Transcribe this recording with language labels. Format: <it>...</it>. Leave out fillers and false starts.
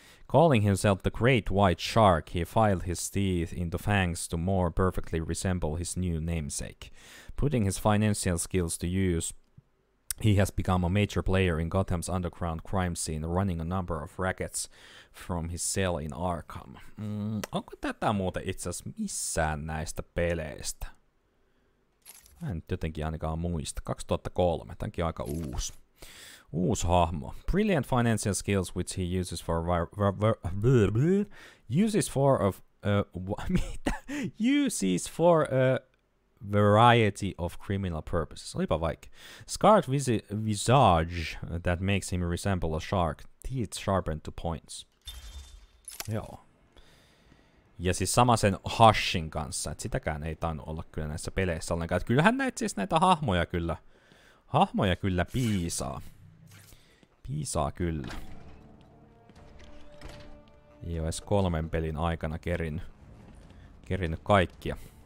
<en>Calling himself the Great White Shark, he filed his teeth into fangs to more perfectly resemble his new namesake. Putting his financial skills to use, he has become a major player in Gotham's underground crime scene, running a number of rackets from his cell in Arkham.</en> <fi>Onko tätä muuten itse asiassa missään näistä peleistä? Mä en jotenkin ainakaan muista. 2003, tämäkin aika uusi. Uusi hahmo.</fi> <en>Brilliant financial skills which he uses for a variety of criminal purposes.</en> <fi>Olipa vaikka.</fi> <en>Scarred visage that makes him resemble a shark. Teeth sharpened to points.</en> <fi>Joo. Ja siis sama sen Hushin kanssa. Et sitäkään ei tainnut olla kyllä näissä peleissä ollenkaan. Et kyllähän näet siis näitä hahmoja kyllä. Hahmoja kyllä piisaa. Piisaa kyllä. Ei ole edes kolmen pelin aikana kerinnyt kaikkia.</fi>